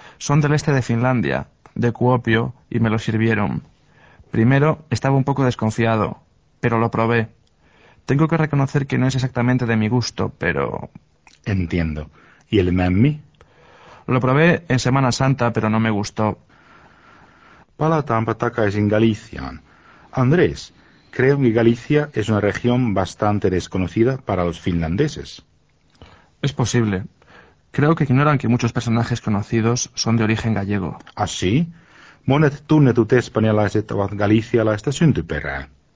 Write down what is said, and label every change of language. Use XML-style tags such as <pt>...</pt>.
<es>Son del este de Finlandia, de Kuopio, y me lo sirvieron. Primero estaba un poco desconfiado, pero lo probé. Tengo que reconocer que no es exactamente de mi gusto, pero... Entiendo. ¿Y el mämmi? Lo probé en Semana Santa, pero no me gustó.</es> <fi>Palataanpa takaisin Galiciaan.</fi> <es>Andrés, creo que Galicia es una región bastante desconocida para los finlandeses. Es posible. Creo que ignoran que muchos personajes conocidos son de origen gallego. ¿Ah, sí?</es> <fi>Monet tunnetut espanjalaiset ovat galicialaista syntyperää.</fi>